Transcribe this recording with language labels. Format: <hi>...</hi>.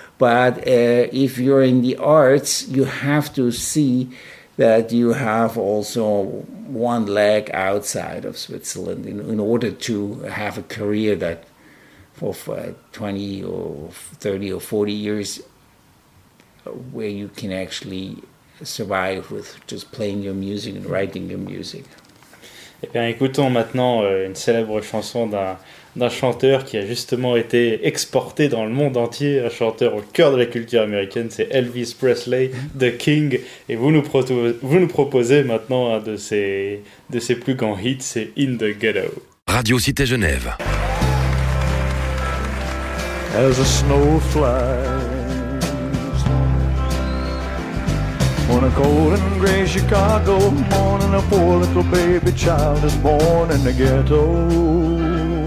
<en>But if you're in the arts, you have to see that you have also one leg outside of Switzerland in order to have a career that for 20 or 30 or 40 years where you can actually survive with just playing your music and writing your music.</en> <fr>Eh bien, écoutons maintenant une célèbre chanson d'un chanteur qui a justement été exporté dans le monde entier, un chanteur au cœur de la culture américaine, c'est Elvis Presley, The King, et vous nous proposez maintenant un de ses plus grands hits, c'est In the Ghetto. Radio Cité Genève.</fr> <en>As a snow flies on a cold and gray Chicago morning, a poor little baby child is born in the ghetto.</en>